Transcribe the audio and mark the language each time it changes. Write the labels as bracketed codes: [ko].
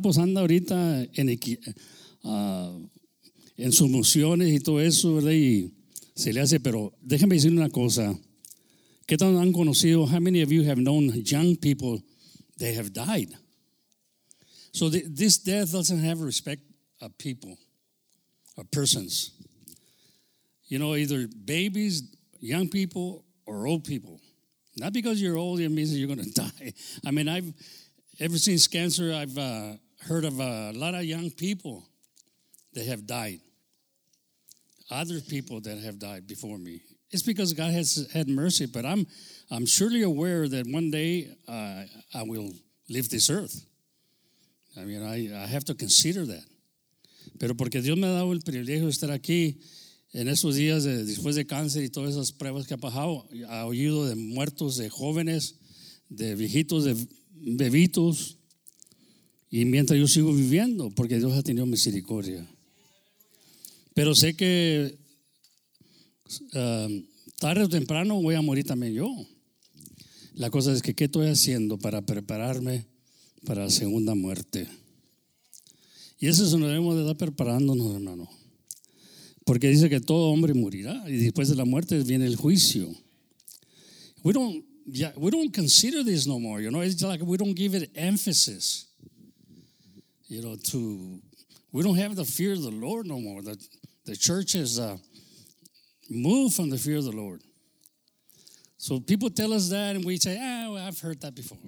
[es] Pues anda ahorita en sus emociones y todo eso, ¿verdad? Y se le hace, pero déjenme decir una cosa. ¿Qué tal han conocido? [en] How many of you have known young people that have died? So this death doesn't have respect of people, of persons. You know, either babies, young people, or old people. Not because you're old, it means you're going to die. I mean, ever since cancer, I've heard of a lot of young people that have died. Other people that have died before me. It's because God has had mercy, but I'm surely aware that one day I will leave this earth. I mean, I have to consider that. [es] Pero porque Dios me ha dado el privilegio de estar aquí en esos días después de cáncer y todas esas pruebas que ha pasado, ha oído de muertos, de jóvenes, de viejitos, de bebitos, y mientras yo sigo viviendo, porque Dios ha tenido misericordia. Pero sé que tarde o temprano voy a morir también yo. La cosa es que, ¿qué estoy haciendo para prepararme para la segunda muerte? Y eso es lo que debemos de estar preparándonos, hermano. Porque dice que todo hombre morirá, y después de la muerte viene el juicio. [en] We don't consider this no more, you know. It's like we don't give it emphasis, you know, to, we don't have the fear of the Lord no more. The church has moved from the fear of the Lord. So people tell us that, and we say, well, I've heard that before.